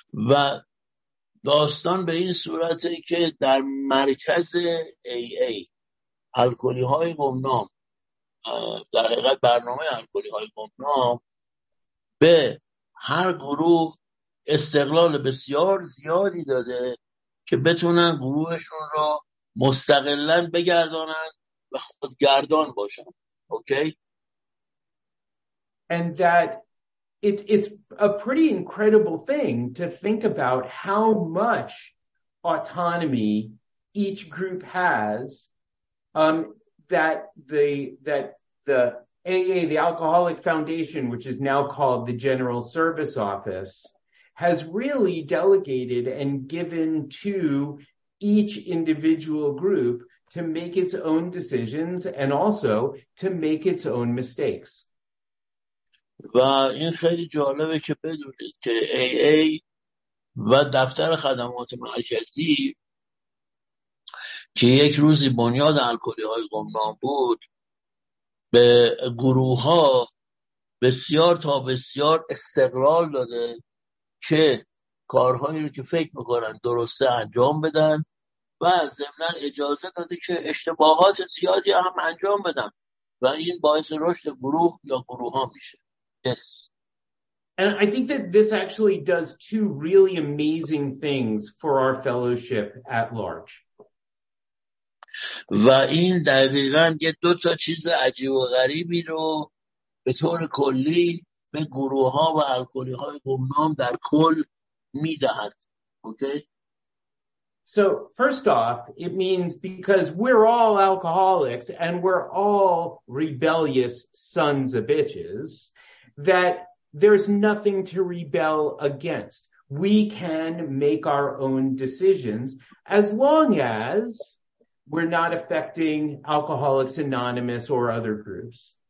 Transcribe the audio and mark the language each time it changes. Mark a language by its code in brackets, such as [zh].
[fa] و داستان به این صورته که در مرکز AA الکلی های گمنام در حقیقت برنامه الکلی های گمنام به هر گروه استقلال بسیار زیادی داده که بتونن گروهشون را مستقلا بگردانن و خودگردان باشن. [en] Okay? And that It's a pretty incredible thing to think about how much autonomy each group has that the AA, the Alcoholic Foundation, which is now called the General Service Office, has really delegated and given to each individual group to make its own decisions and also to make its own mistakes. [fa] و این خیلی جالبه که بدونید که AA و دفتر خدمات مرکزی که یک روزی بنیاد الکلی های گمنام بود به گروه ها بسیار تا بسیار استقلال داده که کارهایی رو که فکر میکنن درسته انجام بدن و ضمناً اجازه داده که اشتباهات زیادی هم انجام بدن و این باعث رشد گروه یا گروه ها میشه. [en] Yes. And I think that this actually does two really amazing things for our fellowship at large. [fa] و این دقیقاً یه دو تا چیز عجیب و غریبی رو به طور کلی به گروه‌ها و الکلی‌های گمنام در کل می‌دهد. Okay? [en] So first off, it means because we're all alcoholics and we're all rebellious sons of bitches, that there's nothing to rebel against. We can make our own decisions as long as we're not affecting Alcoholics Anonymous or other groups.